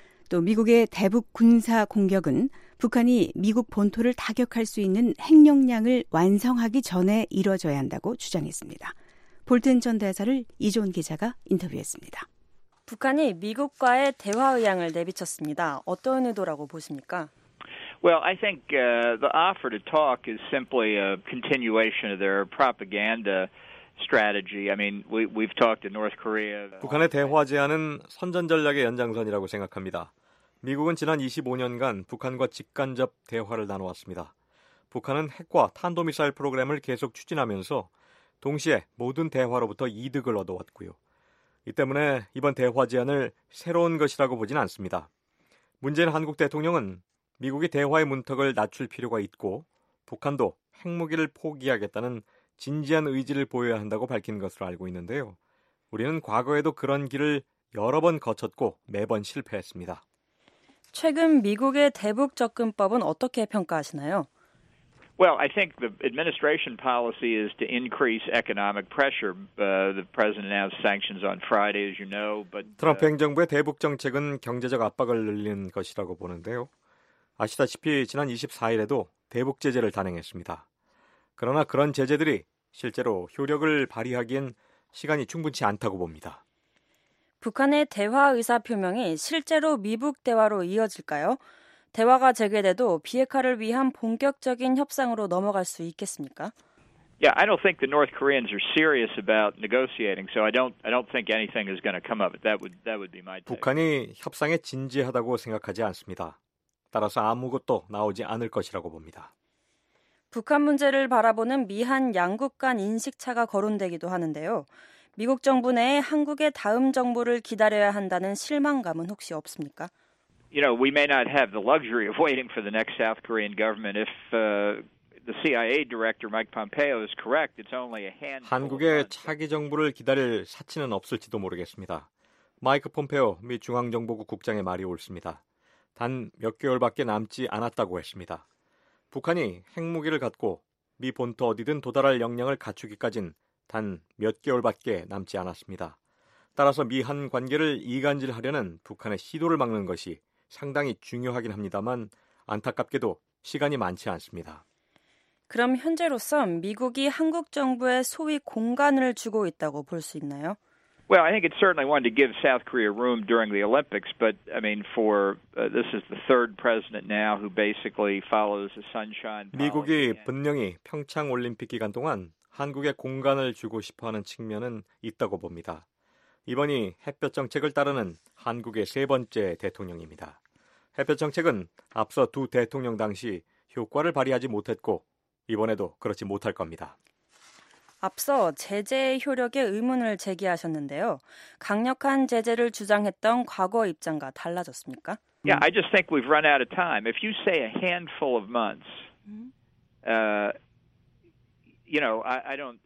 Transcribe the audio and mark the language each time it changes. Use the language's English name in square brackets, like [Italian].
[Korean] 또 미국의 대북 군사 공격은 북한이 미국 본토를 타격할 수 있는 핵용량을 완성하기 전에 이뤄져야 한다고 주장했습니다. 볼튼 전 대사를 이종훈 기자가 인터뷰했습니다. 북한이 미국과의 대화 의향을 내비쳤습니다. 어떤 의도라고 보십니까? [English] Well, I think the offer to talk is simply a continuation of their propaganda strategy. I mean, we've talked to North Korea. [Korean] 북한의 대화 제안은 선전 전략의 연장선이라고 생각합니다. 미국은 지난 25년간 북한과 직간접 대화를 나눠왔습니다. 북한은 핵과 탄도미사일 프로그램을 계속 추진하면서 동시에 모든 대화로부터 이득을 얻어왔고요. 이 때문에 이번 대화 제안을 새로운 것이라고 보진 않습니다. 문재인 한국 대통령은 미국이 대화의 문턱을 낮출 필요가 있고 북한도 핵무기를 포기하겠다는 진지한 의지를 보여야 한다고 밝힌 것으로 알고 있는데요. 우리는 과거에도 그런 길을 여러 번 거쳤고 매번 실패했습니다. 최근 미국의 대북 접근법은 어떻게 평가하시나요? [English] Well, I think the administration policy is to increase economic pressure. The president announced sanctions on Friday, as you know. But [Korean] 트럼프 행정부의 대북 정책은 경제적 압박을 늘리는 것이라고 보는데요. 아시다시피 지난 24일에도 대북 제재를 단행했습니다. 그러나 그런 제재들이 실제로 효력을 발휘하기엔 시간이 충분치 않다고 봅니다. 북한의 대화 의사 표명이 실제로 미북 대화로 이어질까요? 대화가 재개돼도 비핵화를 위한 본격적인 협상으로 넘어갈 수 있겠습니까? [English] Yeah, I don't think the North Koreans are serious about negotiating, so I don't think anything is going to come up. That would be my take. [Korean] 북한이 협상에 진지하다고 생각하지 않습니다. 따라서 아무것도 나오지 않을 것이라고 봅니다. 북한 문제를 바라보는 미한 양국 간 인식차가 거론되기도 하는데요. 미국 정부 내에 한국의 다음 정부를 기다려야 한다는 실망감은 혹시 없습니까? [English] You know, we may not have the luxury of waiting for the next South Korean government if the CIA director Mike Pompeo is correct. It's only a handful. [Korean] 한국의 차기 정부를 기다릴 사치는 없을지도 모르겠습니다. 마이크 폼페오 미 중앙정보국 국장의 말이 옳습니다. 단 몇 개월밖에 남지 않았다고 했습니다. 북한이 핵무기를 갖고 미 본토 어디든 도달할 역량을 갖추기까지는 단 몇 개월밖에 남지 않았습니다. 따라서 미한 관계를 이간질하려는 북한의 시도를 막는 것이 상당히 중요하긴 합니다만 안타깝게도 시간이 많지 않습니다. 그럼 현재로선 미국이 한국 정부에 소위 공간을 주고 있다고 볼 수 있나요? [English] Well, I think it certainly wanted to give South Korea room during the Olympics, but I mean, for this is the third president now who basically follows the sunshine. [Korean] 미국이 분명히 평창 올림픽 기간 동안 한국에 공간을 주고 싶어하는 측면은 있다고 봅니다. 이번이 햇볕 정책을 따르는 한국의 세 번째 대통령입니다. 햇볕 정책은 앞서 두 대통령 당시 효과를 발휘하지 못했고 이번에도 그렇지 못할 겁니다. 앞서 제재의 효력에 의문을 제기하셨는데요. 강력한 제재를 주장했던 과거 입장과 달라졌습니까? [English] Yeah, I just think we've run out of time. If you say a handful of months, you know, I don't.